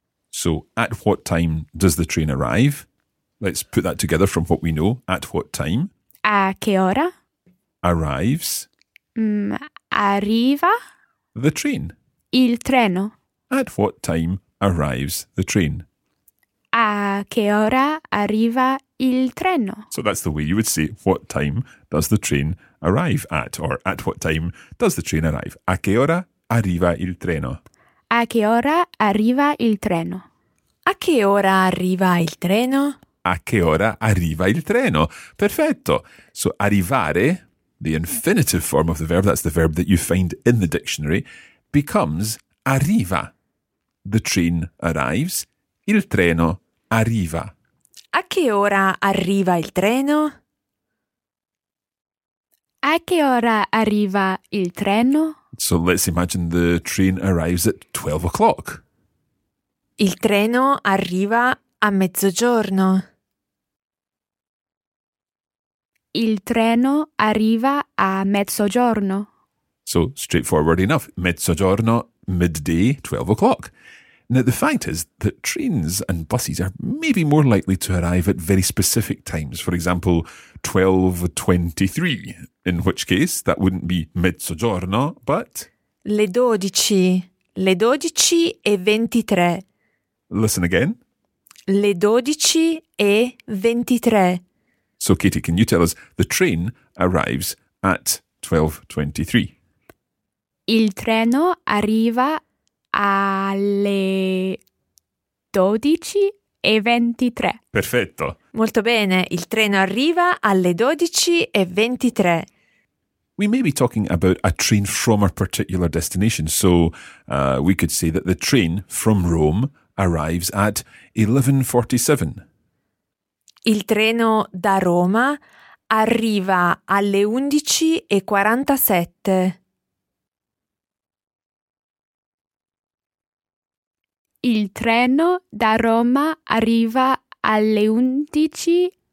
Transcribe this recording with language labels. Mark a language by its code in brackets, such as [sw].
[en] So at what time does the train arrive? Let's put that together from what we know. At what time? [it] A che ora? [en] Arrives. [it] Arriva. [en] The train. [it] Il treno. [en] At what time arrives the train? [it] A che ora arriva il treno? [en] So that's the way you would say, what time does the train arrive at? Or at what time does the train arrive? [it] A che ora arriva il treno? A che ora arriva il treno? A che ora arriva il treno? A che ora arriva il treno? Perfetto. [en] So arrivare, the infinitive form of the verb, that's the verb that you find in the dictionary, becomes arriva. The train arrives. [it] Il treno arriva. A che ora arriva il treno? A che ora arriva il treno? [en] So let's imagine the train arrives at 12 o'clock. [it] Il treno arriva a mezzogiorno. Il treno arriva a mezzogiorno. [en] So straightforward enough. Mezzogiorno, midday, 12 o'clock. Now, the fact is that trains and buses are maybe more likely to arrive at very specific times. For example, 12:23, in which case that wouldn't be mezzogiorno, but... [it] Le 12:23. [en] Listen again. [it] Le 12:23. [en] So, Katie, can you tell us the train arrives at 12:23? [it] Il treno arriva alle 12:23. Perfetto. Molto bene. Il treno arriva alle 12:23. [en] We may be talking about a train from a particular destination. So we could say that the train from Rome arrives at 11:47. [it] Il treno da Roma arriva alle 11:47. Il treno da Roma arriva alle 11:47.